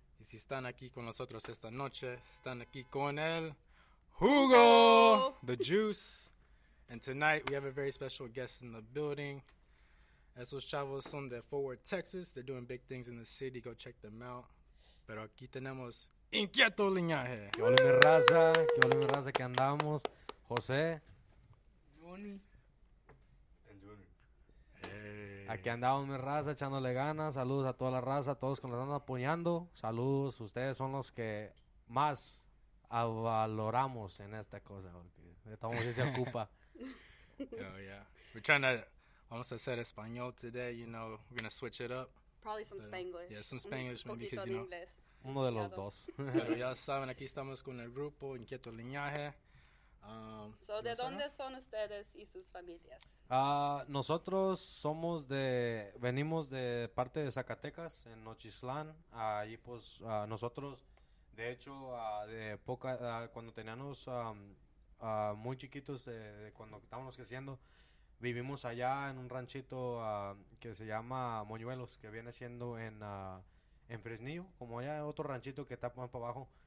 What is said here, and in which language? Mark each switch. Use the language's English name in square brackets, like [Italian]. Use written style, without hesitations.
[Spanish] Y si están aquí con nosotros esta noche, están aquí con el Hugo, the Juice. [English] And tonight we have a very special guest in the building. [Spanish] Esos chavos son de Fort Worth, Texas. [English] They're doing big things in the city. Go check them out. [Spanish] Pero aquí tenemos Inquieto Liniaje. Que hola mi raza, que hola mi raza que andamos. José. Juni. Aquí andamos mi raza echándole ganas. Saludos a toda la raza, a todos que nos están apoyando. Saludos, ustedes son los que más valoramos en esta cosa. Estamos si se ocupa. [English] Oh yeah, we're trying to. [Spanish] Vamos a hacer español [English] today, you know. We're gonna switch it up. Probably some Spanglish. Yeah, some Spanglish maybe because you know. [Spanish] Uno de los dos. Pero ya saben, aquí estamos con el grupo Inquieto Liniaje. So, ¿de dónde son ustedes y sus familias? Nosotros somos de, venimos de parte de Zacatecas, en Nochislán. Ahí pues, nosotros, de hecho, de poca, cuando teníamos muy chiquitos, de cuando estábamos creciendo, vivimos allá en un ranchito que se llama Moñuelos, que viene siendo en Fresnillo, como allá otro ranchito que está más para abajo.